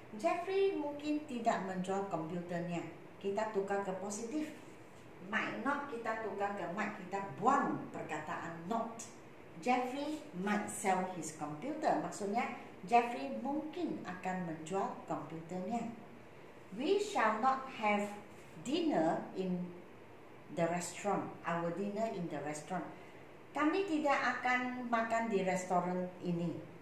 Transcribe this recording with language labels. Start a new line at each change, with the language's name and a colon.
Malay: Jeffrey mungkin tidak menjual komputernya. Kita tukar ke positif. Might not kita tukar ke might. Kita buang perkataan not.
English: Jeffrey might sell his computer.
Malay: Maksudnya Jeffrey mungkin akan menjual komputernya.
English: We shall not have dinner in the restaurant. Our dinner in the restaurant.
Malay: Kami tidak akan makan di restoran ini.